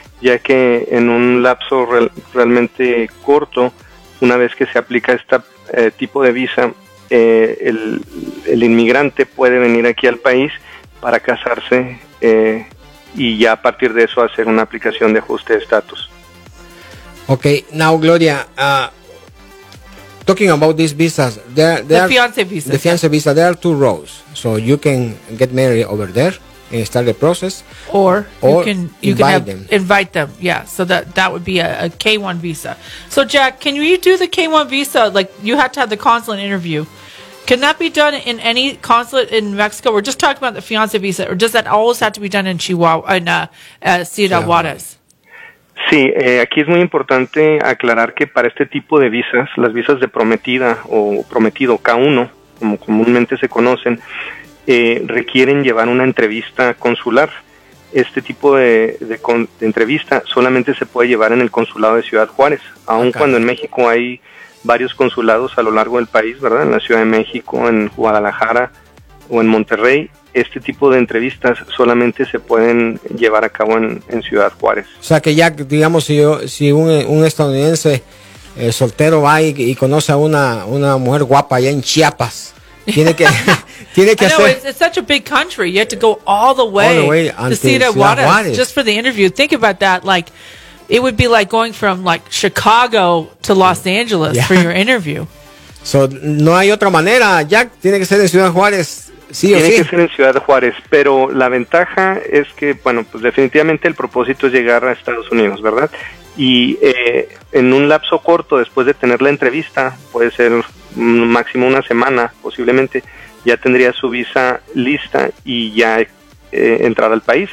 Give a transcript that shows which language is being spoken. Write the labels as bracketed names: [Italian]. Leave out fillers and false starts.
[Spanish] Ya que en un lapso realmente corto, una vez que se aplica este tipo de visa, el inmigrante puede venir aquí al país para casarse y ya a partir de eso hacer una aplicación de ajuste de estatus. [English] Ok, now Gloria, talking about these visas, there are two roads, so you can get married over there and start the process, or you can invite them. Yeah, so that would be a K-1 visa. So Jack, can you do the K-1 visa? Like, you have to have the consulate interview. Can that be done in any consulate in Mexico? We're just talking about the fiance visa, or does that always have to be done in Chihuahua, Ciudad Juárez? [Spanish] Sí, aquí es muy importante aclarar que para este tipo de visas, las visas de prometida o prometido K-1, como comúnmente se conocen, requieren llevar una entrevista consular. Este tipo de entrevista solamente se puede llevar en el consulado de Ciudad Juárez, cuando en México hay varios consulados a lo largo del país, ¿verdad? En la Ciudad de México, en Guadalajara o en Monterrey. Este tipo de entrevistas solamente se pueden llevar a cabo en Ciudad Juárez. O sea que, Jack, digamos, si un estadounidense soltero va y conoce a una mujer guapa allá en Chiapas, tiene que hacer... [English] It's such a big country. You have to go all the way to Ciudad Juárez just for the interview. Think about that. Like, it would be like going from like Chicago to Los Angeles for your interview. [Spanish] So, no hay otra manera, Jack. Tiene que ser en Ciudad Juárez. Sí, tiene sí. que ser en Ciudad Juárez, pero la ventaja es que, bueno, pues definitivamente el propósito es llegar a Estados Unidos, ¿verdad? Y en un lapso corto, después de tener la entrevista, puede ser máximo una semana, posiblemente, ya tendría su visa lista y ya entrar al país.